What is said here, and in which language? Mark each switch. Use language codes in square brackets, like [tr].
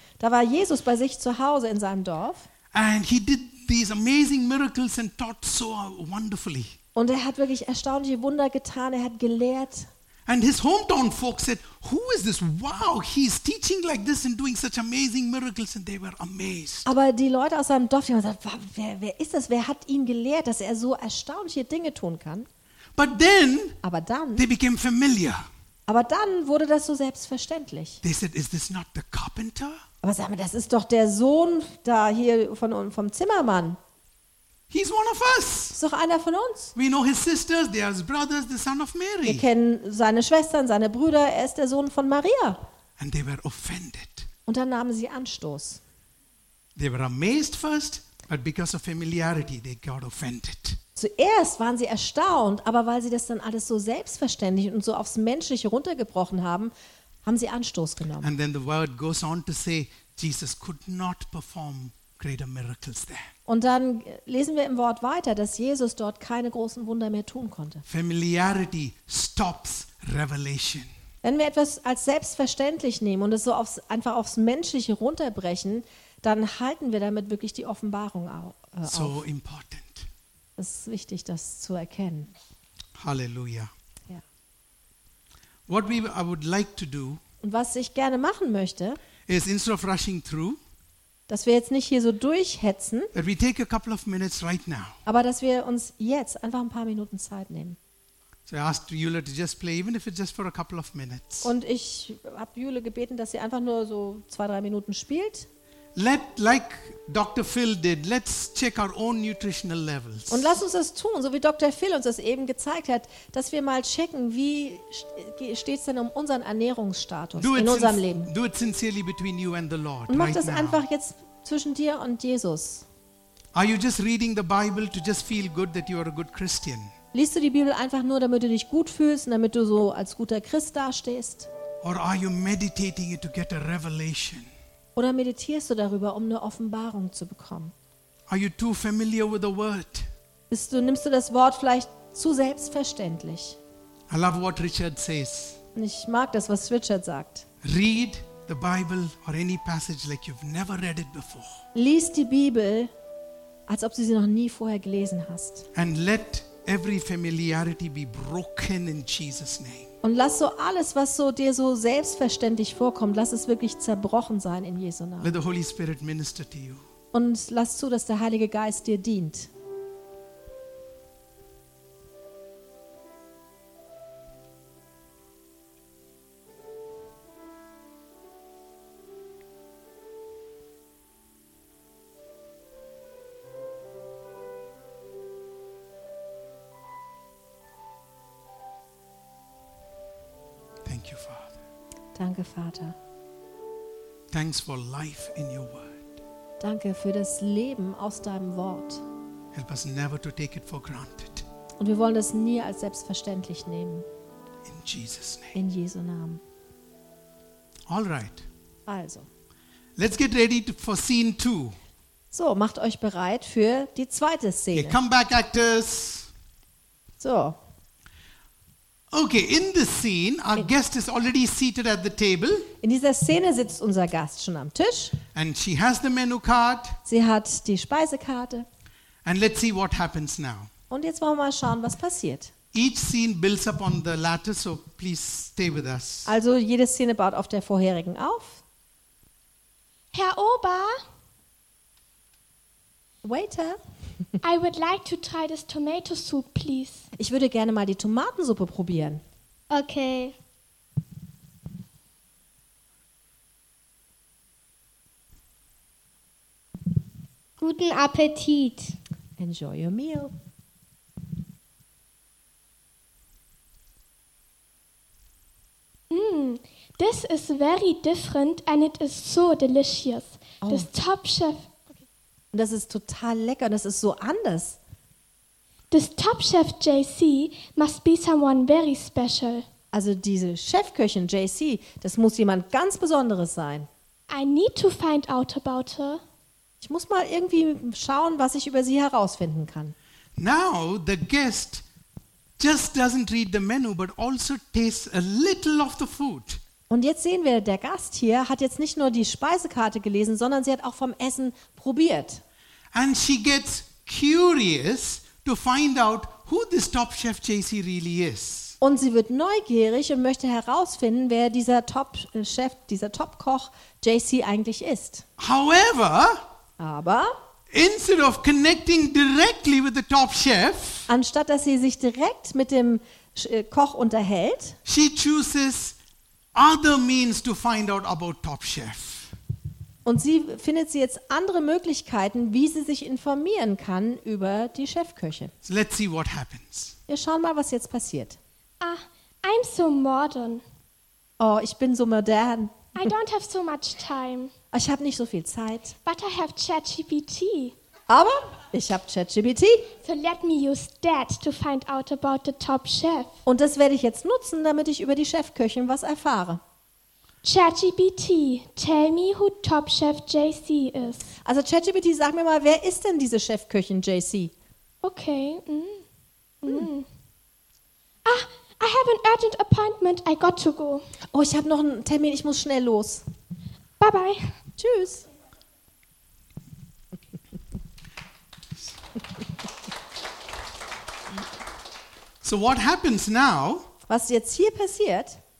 [de] Da war Jesus bei sich zu Hause in seinem Dorf. [en] And he did these amazing miracles and taught so wonderfully. [de] Und er hat wirklich erstaunliche Wunder getan, er hat gelehrt. [en] And his hometown folks said, "Who is this? Wow, he's teaching like this and doing such amazing miracles," and they were amazed. [de] Aber die Leute aus seinem Dorf, die haben gesagt, wer ist das? Wer hat ihn gelehrt, dass er so erstaunliche Dinge tun kann? [en] But then, [de] aber dann, [en] they became familiar. [de] Aber dann wurde das so selbstverständlich. [en] They said, "Is this not the carpenter?" [de] Aber sag mal, das ist doch der Sohn da hier vom Zimmermann. [en] He's one of us. [de] Ist doch einer von uns. [en] We know his sisters, they are his brothers, the son of Mary. [de] Wir kennen seine Schwestern, seine Brüder, er ist der Sohn von Maria. [en] And they were offended. [de] Und dann nahmen sie Anstoß. [en] They were amazed first, but because of familiarity they got offended. [de] Zuerst waren sie erstaunt, aber weil sie das dann alles so selbstverständlich und so aufs Menschliche runtergebrochen haben sie Anstoß genommen. [en] And then the word goes on to say Jesus could not perform greater miracles there. [de] Und dann lesen wir im Wort weiter, dass Jesus dort keine großen Wunder mehr tun konnte. [en] Familiarity stops revelation. [de] Wenn wir etwas als selbstverständlich nehmen und es so einfach aufs Menschliche runterbrechen, dann halten wir damit wirklich die Offenbarung auf. [en] So important. [de] Es ist wichtig, das zu erkennen. [en] Halleluja. I would like to do, [de] und was ich gerne machen möchte, [en] is instead of rushing through, [de] dass wir jetzt nicht hier so durchhetzen, [en] that we take a couple of minutes right now. [de] Aber dass wir uns jetzt einfach ein paar Minuten Zeit nehmen. [en] So I asked Jule to just play, even if it's just for a couple of minutes. [de] Und ich habe Jule gebeten, dass sie einfach nur so 2-3 Minuten spielt. [en] Let, like Dr. Phil did, let's check our own nutritional levels. [de] Und lass uns das tun, so wie Dr. Phil uns das eben gezeigt hat, dass wir mal checken, wie steht es denn um unseren Ernährungsstatus in unserem Leben. [en] Do it sincerely between you and the Lord. [de] Und mach das einfach jetzt zwischen dir und Jesus. [en] Are you just reading the Bible to just feel good that you are a good Christian? [de] Liest du die Bibel einfach nur, damit du dich gut fühlst, damit du so als guter Christ dastehst? [en] Or are you meditating it to get a revelation? [de] Oder meditierst du darüber, um eine Offenbarung zu bekommen? [en] Are you too familiar with the word? [de] Nimmst du das Wort vielleicht zu selbstverständlich? [en] I love what Richard says. [de] Ich mag das, was Richard sagt. [en] Read the Bible or any passage like you've never read it before. [de] Lies die Bibel, als ob du sie noch nie vorher gelesen hast. [en] And let every familiarity be broken in Jesus' name. [de] Und lass so alles, was so dir so selbstverständlich vorkommt, lass es wirklich zerbrochen sein in Jesu Namen. [en] Let the Holy Spirit minister to you. [de] Und lass zu, dass der Heilige Geist dir dient. Danke, Vater. [en] Thanks for life in your word. [de] Danke für das Leben aus deinem Wort. [en] Help us never to take it for granted. [de] Und wir wollen es nie als selbstverständlich nehmen. [en] In Jesus name. [de] In Jesu Namen. [en] All right. [de] Also. [en] Let's get ready for scene 2. [de] So, macht euch bereit für die zweite Szene. [en] Okay, come back, actors. [de] So. [en] Okay, in the scene, our guest is already seated at the table. [de] In dieser Szene sitzt unser Gast schon am Tisch. [en] And she has the menu card. [de] Sie hat die Speisekarte. [en] And let's see what happens now. [de] Und jetzt wollen wir mal schauen, was passiert. [en] Each scene builds up on the latter, so please stay with us. [de] Also jede Szene baut auf der vorherigen auf. Herr Ober. [en] Waiter. I would like to try this tomato soup, please. [de] Ich würde gerne mal die Tomatensuppe probieren. [en] Okay. [de] Guten Appetit. [en] Enjoy your meal. Mm, this is very different and it is so delicious. Oh. This top chef. Okay. [de] Das ist total lecker, das ist so anders. [en] This top chef JC must be someone very special. [de] Also diese Chefköchin JC, das muss jemand ganz Besonderes sein. [en] I need to find out about her. [de] Ich muss mal irgendwie schauen, was ich über sie herausfinden kann. [en] Now the guest just doesn't read the menu, but also tastes a little of the food. [de] Und jetzt sehen wir, der Gast hier hat jetzt nicht nur die Speisekarte gelesen, sondern sie hat auch vom Essen probiert. [en] And she gets curious to find out who this top chef JC really is. [de] Und sie wird neugierig und möchte herausfinden, wer dieser Top-Chef, dieser Top-Koch JC eigentlich ist. [en] However, [de] aber [en] instead of connecting directly with the top chef, [de] anstatt dass sie sich direkt mit dem Koch unterhält, [en] she chooses other means to find out about top chef. [de] Und sie findet sie jetzt andere Möglichkeiten, wie sie sich informieren kann über die Chefköche. [en] So let's see what happens. [de] Wir schauen mal, was jetzt passiert. [en] Ah, I'm so modern. [de] Oh, ich bin so modern. [en] I don't have so much time. [de] Ich habe nicht so viel Zeit. [en] But I have ChatGPT. [de] Aber ich habe ChatGPT. [en] So let me use that to find out about the top chef. [de] Und das werde ich jetzt nutzen, damit ich über die Chefköchin was erfahre. [en] ChatGPT, tell me who top chef JC is. [de] Also ChatGPT, sag mir mal, wer ist denn diese Chefköchin JC? [en] Okay. Ah, I have an urgent appointment. I got to go. [de] Oh, ich habe noch einen Termin. Ich muss schnell los. [en] Bye-bye. [de] Tschüss. [en] So what happens now? [de] Was jetzt hier passiert?